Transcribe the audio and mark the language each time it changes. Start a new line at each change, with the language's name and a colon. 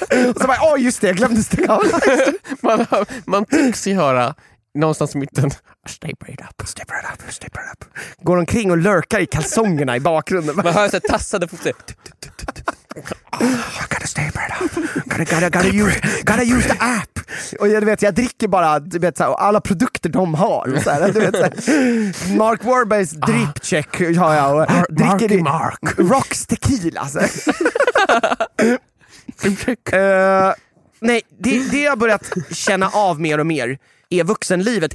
Swedish: Och så bara, åh just det, jag glömde stänga av. Man tycks ju höra... Någonstans i mitten.
English: Stay prayed up. Stay prayed up. Stay prayed up.
Swedish: Går omkring och lurkar i kalsongerna i bakgrunden. Man hör sig tassade på sig.
English: Oh, I gotta stay prayed up. Gotta use the app.
Swedish: Och jag vet, jag dricker bara, du vet, så här, alla produkter de har. Så här, du vet, så här. Mark Wahlbergs drip check. Ja, ja, och dricker Marky Mark. Rocks tequila. Så nej, det har jag börjat känna av mer och mer. Är vuxenlivet.